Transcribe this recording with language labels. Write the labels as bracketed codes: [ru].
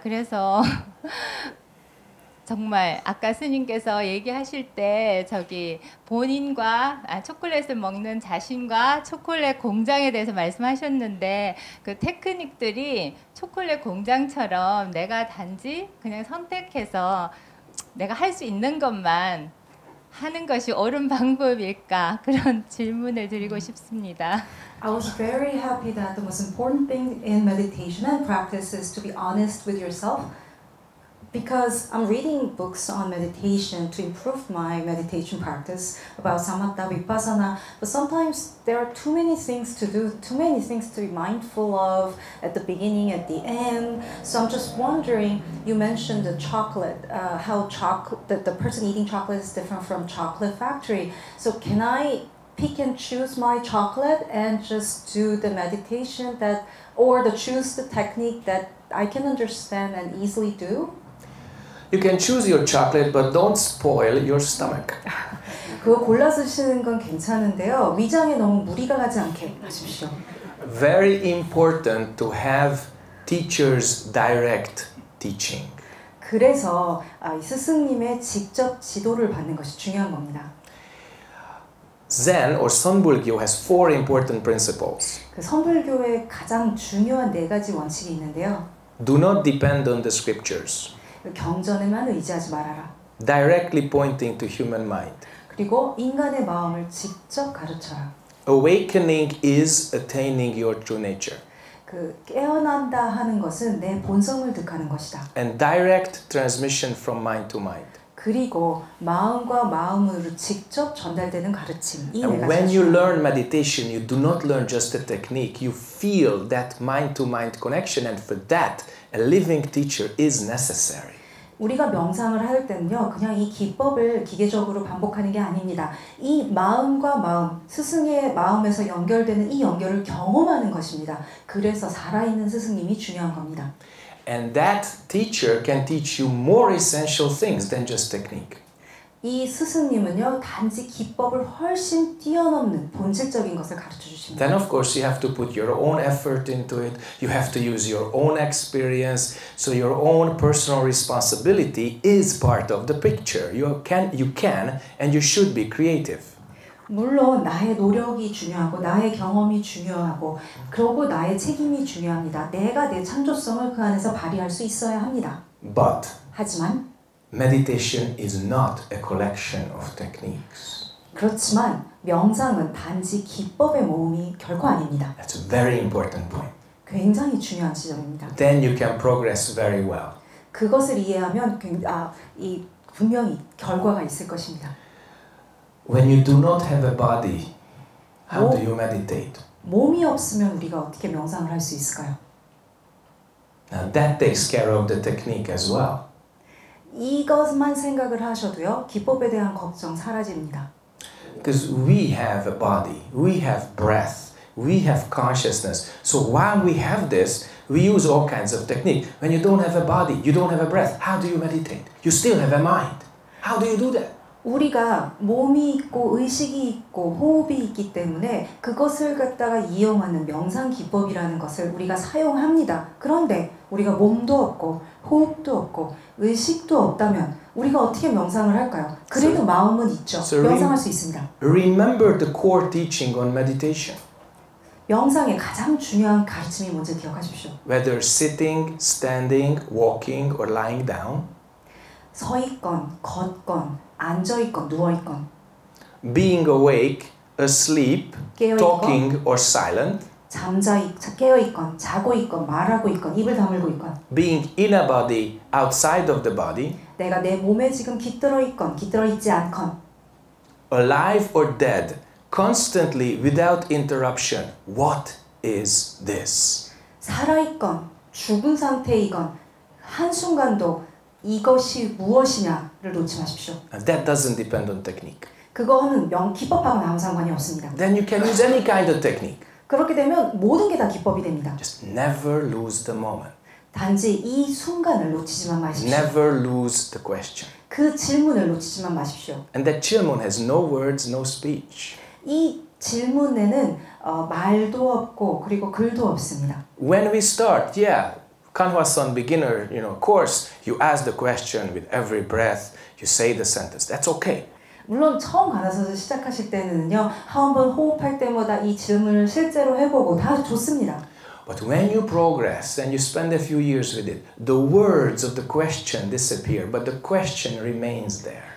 [ko] 그래서 정말 아까 스님께서 얘기하실 때 저기 본인과 초콜릿을 먹는 자신과 초콜릿 공장에 대해서 말씀하셨는데 그 테크닉들이 초콜릿 공장처럼 내가 단지 그냥 선택해서 내가 할 수 있는 것만 하는 것이 옳은 방법일까 그런 질문을 드리고 싶습니다. [en] I was very happy that the most important thing in meditation and practice is to be honest with yourself. Because I'm reading books on meditation to improve my meditation practice about samatha vipassana, but sometimes there are too many things to do, too many things to be mindful of at the beginning, at the end. So I'm just wondering, you mentioned the chocolate, how the person eating chocolate is different from chocolate factory. So can I pick and choose my chocolate and just do the meditation that, or the choose the technique that I can understand and easily do? You can choose your chocolate, but don't spoil your stomach. [ko] 그거 골라 드시는 건 괜찮은데요. 위장에 너무 무리가 가지 않게 하십시오. [en] Very important to have teachers direct teaching. [ko] 그래서 스승님의 직접 지도를 받는 것이 중요한 겁니다. [en] Zen or Chonbul교 has four important principles. [ko] 그 선불교의 가장 중요한 네 가지 원칙이 있는데요. [en] Do not depend on the scriptures. [ko] 경전에만 의지하지 말아라. [en] Directly pointing to human mind. [ko] 그리고 인간의 마음을 직접 가르쳐라. [en] Awakening is attaining your true nature. [ko] 그 깨어난다 하는 것은 내 본성을 득하는 것이다. [en] And direct transmission from mind to mind. [ko] 그리고 마음과 마음으로 직접 전달되는 가르침. [en] And when you learn meditation, you do not learn just a technique. You feel that mind-to-mind connection, and for that, a living teacher is necessary. [ko] 우리가 명상을 할 때는요, 그냥 이 기법을 기계적으로 반복하는 게 아닙니다. 이 마음과 마음, 스승의 마음에서 연결되는 이 연결을 경험하는 것입니다. 그래서 살아있는 스승님이 중요한 겁니다. [en] And that teacher can teach you more essential things than just technique. [ko] 이 스승님은요, 단지 기법을 훨씬 뛰어넘는 본질적인 것을 가르쳐 주십니다. [en] Then of course you have to put your own effort into it. You have to use your own experience. So your own personal responsibility is part of the picture. You can and you should be creative. [ko] 물론 나의 노력이 중요하고 나의 경험이 중요하고 그리고 나의 책임이 중요합니다. 내가 내 창조성을 그 안에서 발휘할 수 있어야 합니다. [en] But [ko] 하지만 [en] meditation is not a collection of techniques. [ko] 그렇지만 명상은 단지 기법의 모음이 결코 아닙니다. [en] That's a very important point. [ko] 굉장히 중요한 지점입니다. [en] Then you can progress very well. [ko] 그것을 이해하면 이 분명히 결과가 있을 것입니다. [en] When you do not have a body, how do you meditate? [ko] 몸이 없으면 우리가 어떻게 명상을 할 수 있을까요? [en] Now that takes care of the technique as well. [ko] 이것만 생각을 하셔도요, 기법에 대한 걱정 사라집니다. [en] Because we have a body, we have breath, we have consciousness. So while we have this, we use all kinds of technique. When you don't have a body, you don't have a breath, how do you meditate? You still have a mind. How do you do that? [ko] 우리가 몸이 있고 의식이 있고 호흡이 있기 때문에 그것을 갖다가 이용하는 명상 기법이라는 것을 우리가 사용합니다. 그런데 우리가 몸도 없고 호흡도 없고 의식도 없다면 우리가 어떻게 명상을 할까요? 그래도 마음은 있죠. 명상할 수 있습니다. [en] Remember the core teaching on meditation. [ko] 명상의 가장 중요한 가르침이 뭔지 기억하십시오. [en] Whether sitting, standing, walking or lying down. [ko] 서 있건 걷건 앉아 있건 누워 있건 [en] being awake, asleep, [ko] 깨어있건, [en] talking or silent [ko] 깨어 있건 자고 있건 말하고 있건 입을 다물고 있건 [en] being in a body, outside of the body [ko] 내가 내 몸에 지금 깃들어 있건 깃들어 있지 않건 [en] alive or dead, constantly without interruption, what is this. [ko] 살아있건 죽은 상태이건 한순간도 이것이 무엇이냐를 놓지 마십시오. [en] And that doesn't depend on technique. [ko] 그거는 명 기법하고는 아무 상관이 없습니다. [en] Then you can use any kind of technique. [ko] 그렇게 되면 모든 게 다 기법이 됩니다. [en] Just never lose the moment. [ko] 단지 이 순간을 놓치지만 마십시오. [en] Never lose the question. [ko] 그 질문을 놓치지만 마십시오. [en] And that 질문 has no words, no speech. [ko] 이 질문에는 말도 없고 그리고 글도 없습니다. [en] When we start, yeah, Kanwasan beginner, you know, course, you ask the question with every breath, you say the sentence. That's okay. [ko] 물론 처음 가르쳐서 시작하실 때는요, 한번 호흡할 때마다 이 질문을 실제로 해보고 다 좋습니다. [en] But when you progress and you spend a few years with it, the words of the question disappear, but the question remains there.